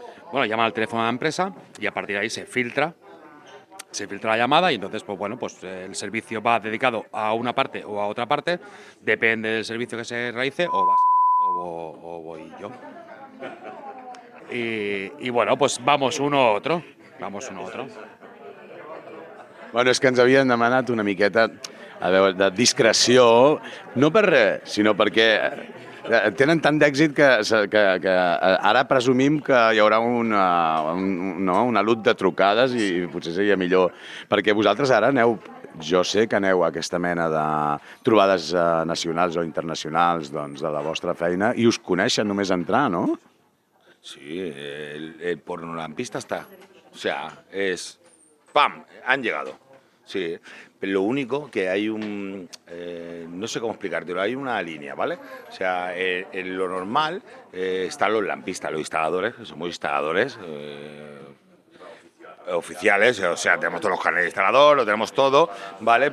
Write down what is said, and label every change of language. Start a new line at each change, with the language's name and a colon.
Spanish: Bueno, llaman al teléfono de la empresa y a partir de ahí se filtra. Se filtra la llamada y entonces, pues bueno, pues el servicio va dedicado a una parte o a otra parte. Depende del servicio que se realice o va a ser... O voy yo. Y bueno, pues vamos uno a otro. Vamos uno a otro.
Catalan: Bueno, és que ens havien demanat una miqueta de discreció, no per res, sinó perquè tenen tant d'èxit que ara presumim que hi haurà una lut de trucades i potser seria millor. Perquè vosaltres ara aneu... Jo sé que aneu a aquesta mena de trobades nacionals o internacionals doncs, de la vostra feina i us coneixen només entrar, no? Sí, el pornolampista està.
Spanish: O sea, és... ¡Pam! Han llegado. Sí, pero lo único que hay un... no sé cómo explicártelo, hay una línea, ¿vale? O sea, en lo normal están los lampistas, los instaladores, que somos instaladores... oficiales, o sea, tenemos todos los carnets de instalador, lo tenemos todo, ¿vale?